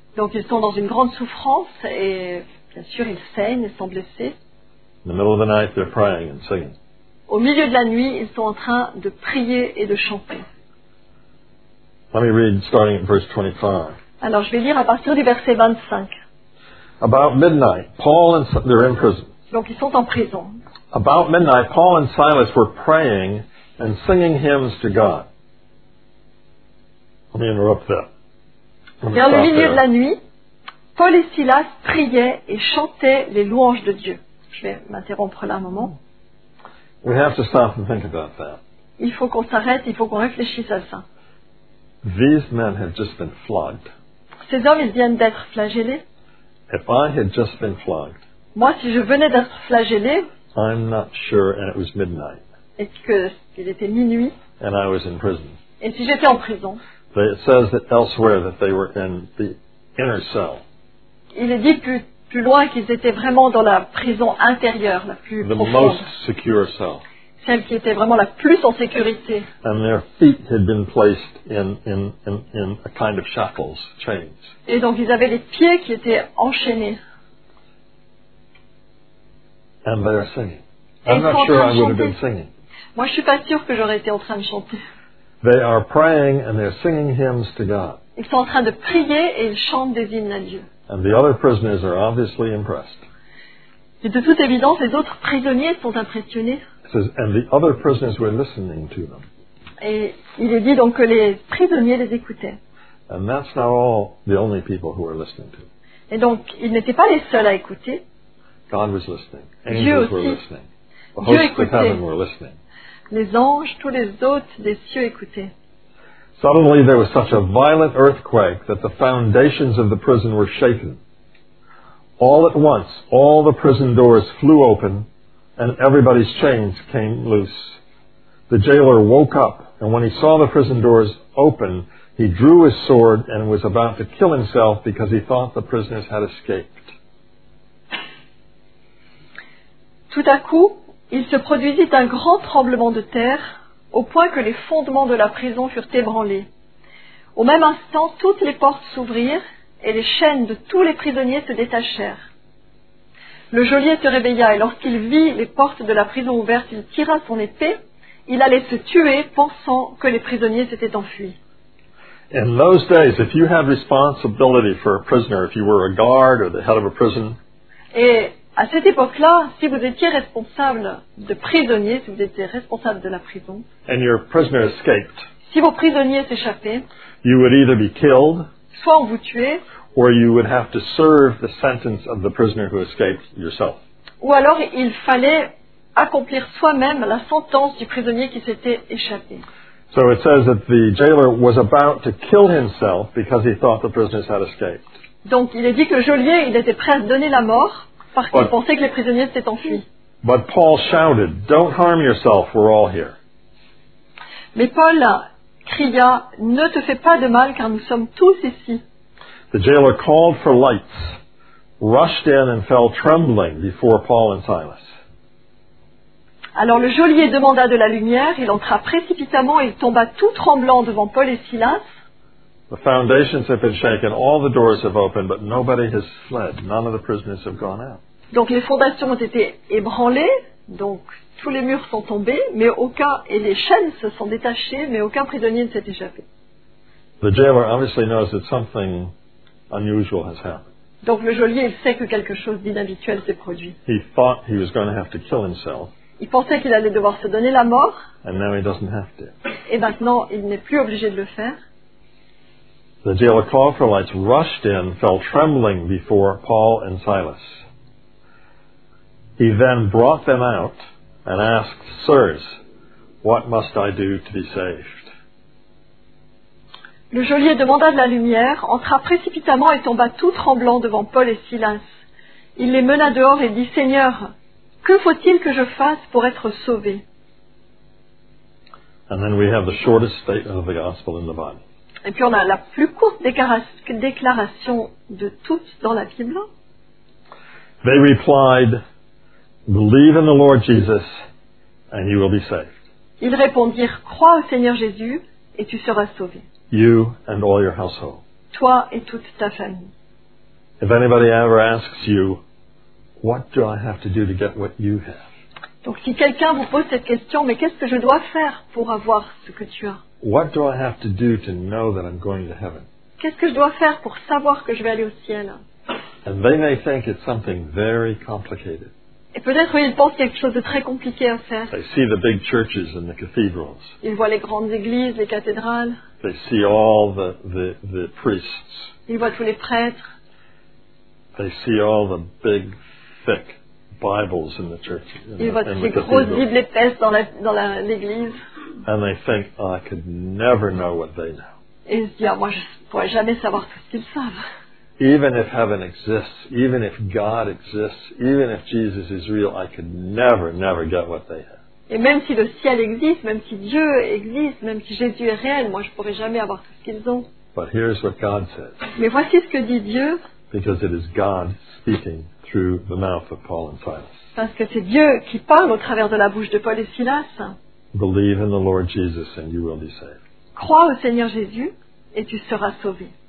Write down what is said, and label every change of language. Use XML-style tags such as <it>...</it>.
<fr>Donc ils sont dans une grande souffrance et bien sûr ils saignent. Ils sont blessés.</fr> <en>In the middle of the night, they're praying and singing.</en> <fr>Au milieu de la nuit, ils sont en train de prier et de chanter.</fr> <en>Let me read starting at verse 25.</en> <fr>Alors, je vais lire à partir du verset 25.</fr> <en>About midnight, Paul and they're in prison.</en> <fr>Donc, ils sont en prison.</fr> <en>About midnight, Paul and Silas were praying and singing hymns to God. Let me interrupt that.</en> <fr>Vers le milieu de la nuit, Paul et Silas priaient et chantaient les louanges de Dieu. Je vais m'interrompre là un moment.</fr> <en>We have to stop and think about that.</en> <fr>Il faut qu'on s'arrête, il faut qu'on réfléchisse à ça.</fr> <en>These men have just been flogged.</en> <fr>Ces hommes, ils viennent d'être flagellés.</fr> <en>If I had just been flogged,</en> <fr>moi, si je venais d'être flagellé,</fr> <en>I'm not sure, and it was midnight,</en> <fr>et qu'il était minuit,</fr> <en>and I was in prison,</en> <fr>et si j'étais en prison,</fr> <en>it says that elsewhere that they were in the inner cell.</en> <fr>Il est dit plus loin qu'ils étaient vraiment dans la prison intérieure, la plus</fr> <en>the</en> <fr>profonde.</fr> <en>Most secure cell.</en> <fr>Celle qui était vraiment la plus en sécurité.</fr> <en>And their feet had been placed in a kind of shackles, chains.</en> <fr>Et donc ils avaient les pieds qui étaient enchaînés.</fr> <en>And they were singing. I'm not sure I would have been singing.</en> <fr>Moi, je suis pas sûre que j'aurais été en train de chanter.</fr> <en>They are praying and they're singing hymns to God.</en> <fr>Ils sont en train de prier et ils chantent des hymnes à Dieu.</fr> <en>And the other prisoners are obviously impressed.</en> <fr>Et de toute évidence, les autres prisonniers sont impressionnés.</fr> <en>And the other prisoners were listening to them.</en> <fr>Et il est dit donc que les prisonniers les écoutaient.</fr> <en>And that's not all the only people who were listening to.</en> <fr>Et donc, ils n'étaient pas les seuls à écouter.</fr> <en>God was listening. Angels</en> <fr>Dieu aussi.</fr> <en>Were listening. The hosts</en> <fr>Dieu écoutait.</fr> <en>Of heaven were listening.</en> <fr>Les anges, tous les hôtes des cieux écoutaient.</fr> <en>Suddenly there was such a violent earthquake that the foundations of the prison were shaken. All at once, all the prison doors flew open and everybody's chains came loose. The jailer woke up, and when he saw the prison doors open, he drew his sword and was about to kill himself because he thought the prisoners had escaped.</en> <fr>Tout à coup, il se produisit un grand tremblement de terre, au point que les fondements de la prison furent ébranlés. Au même instant, toutes les portes s'ouvrirent et les chaînes de tous les prisonniers se détachèrent. Le geôlier se réveilla et lorsqu'il vit les portes de la prison ouvertes, il tira son épée. Il allait se tuer, pensant que les prisonniers s'étaient enfuis.</fr> <en>In those days, if you had responsibility for a prisoner, if you were a guard or the head of a prison,</en> <fr>et à cette époque-là, si vous étiez responsable de prisonniers, si vous étiez responsable de la prison,</fr> <en>and your prisoner escaped,</en> <fr>si vos prisonniers s'échappaient,</fr> <en>you would either be killed,</en> <fr>soit on vous tuait,</fr> <en>or you would have to serve the sentence of the prisoner who escaped yourself.</en> <fr>Ou alors il fallait accomplir soi-même la sentence du prisonnier qui s'était échappé.</fr> <en>So it says that the jailer was about to kill himself because he thought the prisoners had escaped.</en> <fr>Donc il est dit que le geôlier, il était prêt à se donner la mort. Parce qu'il pensait que les prisonniers s'étaient enfuis.</fr> <en>But Paul shouted, "Don't harm yourself, we're all here."</en> <fr>Mais Paul cria, "Ne te fais pas de mal, car nous sommes tous ici."</fr> <en>The jailer called for lights, rushed in and fell trembling before Paul and Silas.</en> <fr>Alors le geôlier demanda de la lumière, il entra précipitamment et il tomba tout tremblant devant Paul et Silas.</fr> <en>The foundations have been shaken, all the doors have opened, but nobody has fled. None of the prisoners have gone out.</en> <fr>Donc les fondations ont été ébranlées, Donc, tous les murs sont tombés, mais aucun, et les chaînes se sont détachées, mais aucun prisonnier ne s'est échappé.</fr> <en>The jailer obviously knows that something unusual has happened.</en> <fr>Donc le geôlier, il sait que quelque chose d'inhabituel s'est produit.</fr> <en>He thought he was going to have to kill himself.</en> <fr>Il pensait qu'il allait devoir se donner la mort.</fr> <en>And now he doesn't have to.</en> <fr>Et maintenant, il n'est plus obligé de le faire.</fr> <en>The jailer called for lights, rushed in, fell trembling before Paul and Silas. He then brought them out and asked, "Sirs, what must I do to be saved?"</en> <fr>Le geôlier demanda de la lumière, entra précipitamment et tomba tout tremblant devant Paul et Silas. Il les mena dehors et dit, « Seigneur, que faut-il que je fasse pour être sauvé ?» Et puis on a la plus courte déclaration de toutes dans la Bible.</fr> <en>They replied, "Believe in the Lord Jesus and you will be saved."</en> <fr>Ils répondirent, « Crois au Seigneur Jésus et tu seras sauvé. »</fr> <en>You and all your household.</en> <fr>Toi et toute ta famille.</fr> <en>If anybody ever asks you, "What do I have to do to get what you have?"</en> <fr>Donc si quelqu'un vous pose cette question, mais qu'est-ce que je dois faire pour avoir ce que tu as?</fr> <en>What do I have to do to know that I'm going to heaven?</en> <fr>Qu'est-ce que je dois faire pour savoir que je vais aller au ciel?</fr> <en>And they may think it's something very complicated.</en> <fr>Et peut-être qu'ils pensent quelque chose de très compliqué à faire.</fr> <en>They see the big churches and the cathedrals.</en> <fr>Ils voient les grandes églises, les cathédrales.</fr> <en>They see all the priests.</en> <fr>Ils voient tous les prêtres.</fr> <en>They see all the big, thick Bibles in the church.</en> <fr>Ils voient toutes les grosses Bibles épaisses dans l'église.</fr> <en>And they think, "Oh, I could never know what they know."</en> <fr>Et ils se disent, moi je ne pourrais jamais savoir tout ce qu'ils savent.</fr> <en>Even if heaven exists, even if God exists, even if Jesus is real, I could never, never get what they have.</en> <fr>Et même si le ciel existe, même si Dieu existe, même si Jésus est réel, moi je pourrais jamais avoir tout ce qu'ils ont.</fr> <en>But here's what God says.</en> <fr>Mais voici ce que dit Dieu.</fr> <en>Because it is God speaking through the mouth of Paul and Silas.</en> <fr>Parce que c'est Dieu qui parle au travers de la bouche de Paul et Silas.</fr> <en>Believe in the Lord Jesus and you will be saved.</en> <fr>Crois au Seigneur Jésus et tu seras sauvé.</fr>